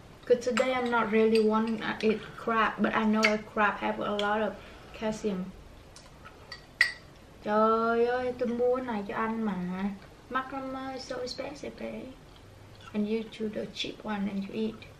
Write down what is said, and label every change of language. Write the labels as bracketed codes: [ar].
[en] Because today I'm not really wanting to eat crab, but I know a crab have a lot of calcium. [vi] Trời ơi, tôi mua cái này cho anh mà. [en] Macaroni is so expensive, eh? And you choose the cheap one and you eat.